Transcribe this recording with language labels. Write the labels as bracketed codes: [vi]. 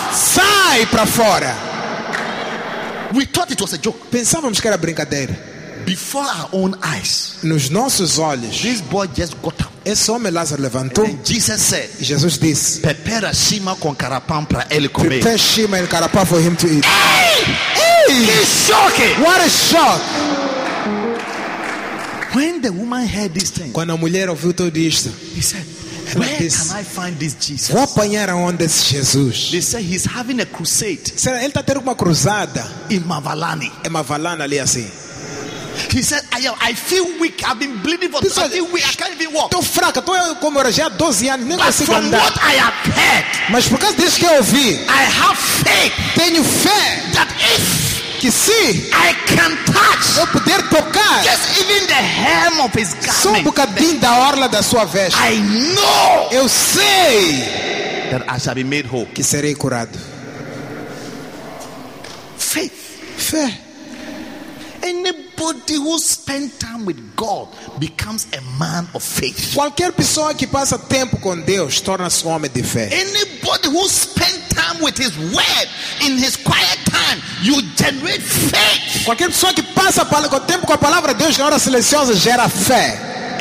[pt] Sai para fora. [en] We thought it was a joke. [pt] Pensávamos que era brincadeira. [en] Before our own eyes, [pt] nos nossos olhos, [en] this boy just got up. [pt] Esse homem Lázaro levantou. [en] And Jesus said, [pt] Jesus disse, prepare a shima com carapam para ele comer. [en] Prepare shima and carapam for him to eat. Hey! He's shocking. What a shock! When the woman heard this thing, [pt] quando a mulher ouviu tudo isto, [en] he said, where can I find this Jesus? [pt] Vou apanhar aonde esse Jesus? [en] They say he's having a crusade. [pt] Será ele está tendo uma cruzada? [en] In Mavalani. [pt] É Mavalani ali assim. [en] He said, I feel weak. I've been bleeding for 12 weeks. I can't even walk. [pt] Estou fraca. Estou com hemorragia há 12 anos. Nem consigo andar. [en] But from what I have heard, [pt] mas por causa disso que eu ouvi, [en] I have faith. [pt] Tenho fé. [en] That if [pt] que se [en] I can touch, [pt] eu puder tocar [en] just even the hem of his garment, [pt] só um bocadinho da orla da sua veste, [en] I know, [pt] eu sei [en] that I shall be made whole, [pt] que serei curado. [en] Faith. [pt] Fé. [en] Anybody who spends time with God becomes a man of faith. [pt] Qualquer pessoa que passa tempo com Deus torna-se um homem de fé. [en] Anybody who spends time with his word in his quiet time, you generate faith. [pt] Qualquer pessoa que passa tempo com a palavra de Deus na hora silenciosa gera fé.